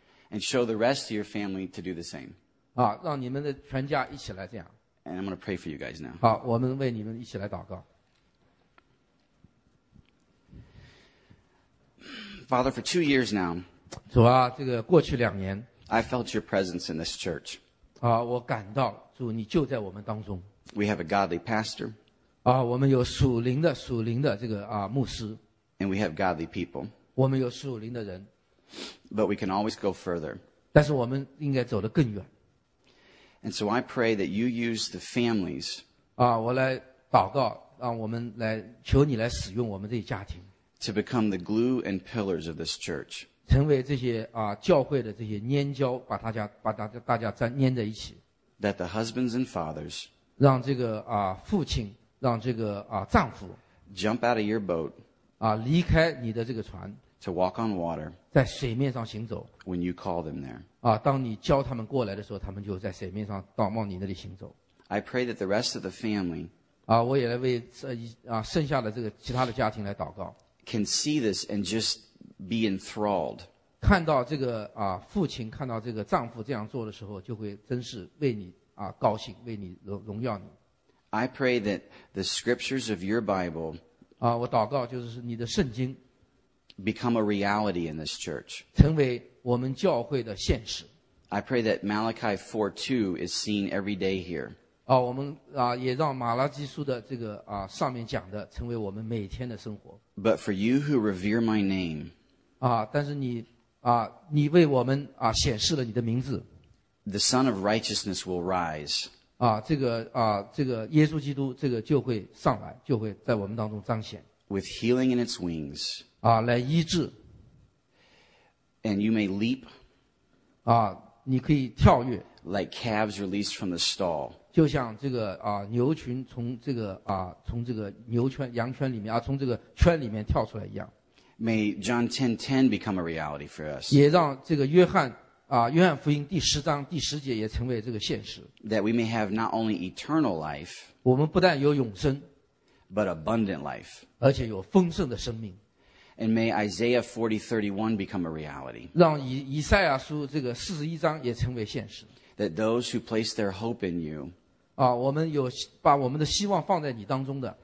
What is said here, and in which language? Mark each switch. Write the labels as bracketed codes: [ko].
[en] And show the rest of your family to do the same. [zh] 让你们的全家一起来这样。 [en] And I'm going to pray for you guys now. [zh] 好，我们为你们一起来祷告。 [en] Father, for 2 years now, [zh] 主啊, 这个过去两年, [en] I felt your presence in this church. [zh] 我感到主你就在我们当中。 [en] We have a godly pastor. [zh] 我们有属灵的这个牧师。 [en] And we have godly people. [zh] 我们有属灵的人。 [en] But we can always go further. [zh] 但是我们应该走得更远。 [en] And so I pray that you use the families. [zh] 我来祷告, 让我们来求你来使用我们这些家庭。 [en] To become the glue and pillars of this church. [zh] 成为这些, 教会的这些粘胶, 把大家粘在一起。 [en] That the husbands and fathers. [zh] 让这个, 父亲, 让这个, 丈夫, [en] jump out of your boat. [zh] 离开你的这个船, [en] to walk on water. [zh] 在水面上行走, [en] when you call them there. [zh] 当你教他们过来的时候, 他们就在水面上, 到往你那里行走。 [en] I pray that the rest of the family. [zh] 我也来为, 剩下的这个其他的家庭来祷告。 [en] Can see this and just be enthralled. [zh] 看到这个, 父亲, 看到这个丈夫这样做的时候, 就会真是为你, 高兴, 为你, 荣耀你。 [en] I pray that the scriptures of your Bible, [zh] 我祷告就是你的圣经, [en] become a reality in this church. [zh] 成为我们教会的现实。 [en] I pray that Malachi 4:2 is seen every day here. [zh] 我们, 也让马拉基书的这个, 上面讲的, 成为我们每天的生活。 [en] But for you who revere my name, [zh] 但是你, 你为我们, 显示了你的名字, [en] the Son of Righteousness will rise. [zh] 这个, 这个耶稣基督, 这个就会上来, 就会在我们当中彰显, [en] with healing in its wings, [zh] 来医治, [en] and you may leap, [zh] 你可以跳跃, [en] like calves released from the stall. [zh] 就像这个, 牛群从这个, 从这个牛圈, 羊圈里面, 从这个圈里面跳出来一样。 [en] May John 10:10 become a reality for us. [zh] 也让这个约翰, 约翰福音第十章, 第十节也成为这个现实。 [en] That we may have not only eternal life, [zh] 我们不但有永生, [en] but abundant life. [zh] 而且有丰盛的生命。 [en] And may Isaiah 40:31 become a reality. [zh] 让以赛亚书这个41章也成为现实。 [en] That those who place their hope in you, [zh] 我们有把我们的希望放在你当中的,